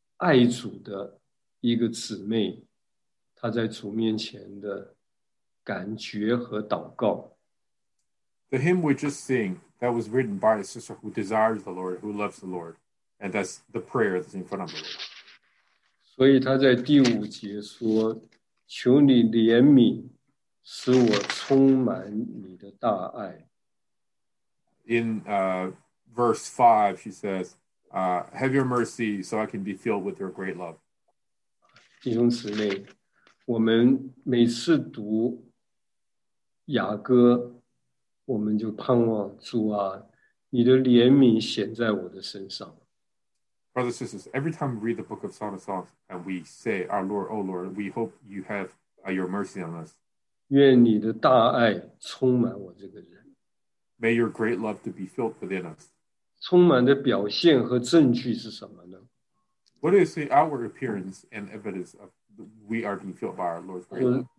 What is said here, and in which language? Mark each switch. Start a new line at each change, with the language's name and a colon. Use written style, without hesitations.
Chinese: 刚才那首诗歌就是一个要主、爱主的一个姊妹, 她在主面前的感觉和祷告。
English: The hymn we just sing, that was written by a sister who desires the Lord, who loves the Lord, and that's the prayer that's in front of the Lord.
Chinese: 所以她在第五节说,求你怜悯,使我充满你的大爱。
English: In verse 5, she says, have your mercy so I can be filled with your great love.
Chinese: 弟兄姊妹,我们每次读雅歌, 我们就盼望主啊,你的怜悯显在我的身上。
English: Brothers and sisters, every time we read the book of Song of Songs and we say, our Lord, O Lord, we hope you have your mercy on us.
Chinese: 愿你的大爱充满我这个人。
English: May your great love to be filled within us.
Chinese: 充满的表现和证据是什么呢?
English: What is the outward appearance and evidence of we are being filled by our Lord's great love?